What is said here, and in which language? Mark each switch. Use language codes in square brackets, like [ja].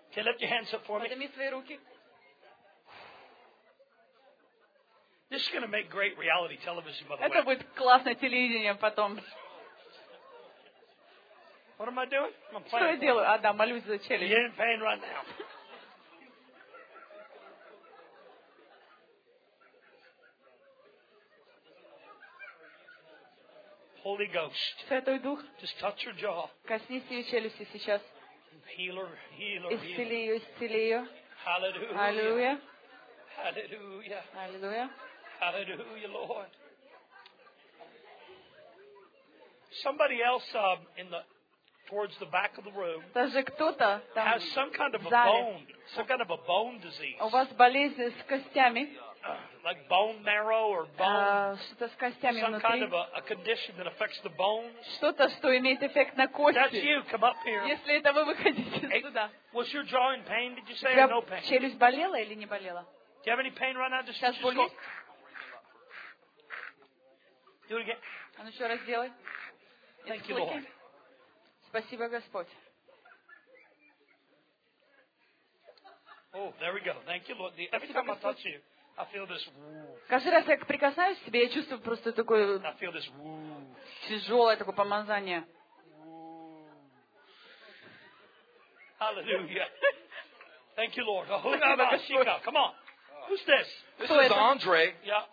[en] Can you lift your hands up for me? [ru] Подними свои руки. [en] This is going to make great reality television, by the way. [ru] Это будет классное телевидение потом. [en] What am I doing? I'm praying. [ru] Что я делаю? А, да, молюсь за челюсть. [en] You're in pain right now. Holy Ghost. [ru] Святой Дух. [en] Just touch your jaw. [ru] Коснись ее челюсти сейчас. [en] Healer. [ru] Исцели ее, исцели ее. [en] Hallelujah. Hallelujah. Hallelujah. Hallelujah. Hallelujah, Lord. Somebody else in the towards the back of the room. [ru] Даже кто-то там [en] has some kind of a bone, some kind of a bone disease. [ru] У вас болезнь с костями? [en] Like bone marrow or bone. [ru] Что-то с костями внутри. [en] Some kind of a condition that affects the bones. [ru] Что-то, что имеет эффект на кости. [en] That's you. Come up here. [ru] Если это вы, выходите сюда. [en] Was your jaw in pain? Did you say no pain? [ru] Челюсть болела или не болела? [en] Do you have any pain right now? Just [ru] сейчас болит? [en] Do it again. [ru] А еще раз сделай. [en] Thank you, Lord. [ru] Спасибо, Господь. [en] Oh, there we go. Thank you, Lord. Every time I touch you, I feel this woo. [ru] Каждый раз, как прикасаюсь к себе, я чувствую просто такое [en] I feel this woo. [ru] Тяжелое такое помазание. [en] Hallelujah. Thank you, Lord. [ru] Спасибо, Господь. [en] Come on. Who's this? This is Andre. Yeah.